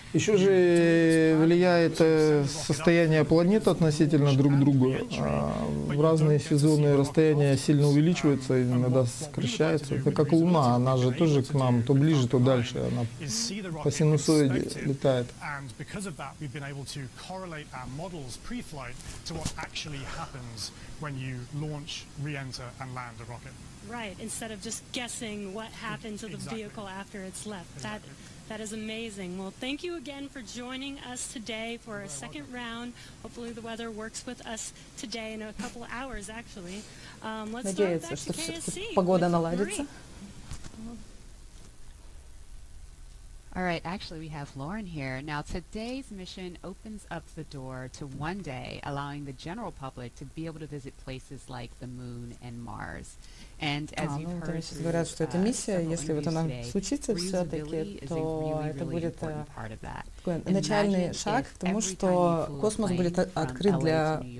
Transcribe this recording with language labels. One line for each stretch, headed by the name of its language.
Russian: Еще же влияет состояние планет относительно друг друга. В разные сезоны расстояние сильно увеличивается, иногда сокращается. Это как Луна, она же тоже к нам, то ближе, то дальше. Она по синусоиде летает.
English: And because of that, we've been able to correlate our models pre-flight to what actually happens when you launch, re-enter, and land a rocket. Right, instead of just guessing what happened to the exactly. vehicle after it's left. Exactly. That is amazing. Well, thank you again for joining us today for a second round. Hopefully the weather works with us today in a couple of hours, actually. Let's
Russian: Надеется,
English: start back to KSC.
Russian: Погода наладится.
English: All right, actually we have Lauren here. Now today's mission opens up the door to one day allowing the general public to be able to visit places like the moon and Mars. stars. And as you've heard,
Russian: говорят, что эта миссия, если вот она случится все-таки, то это будет такой начальный шаг к тому, что космос будет открыт для людей.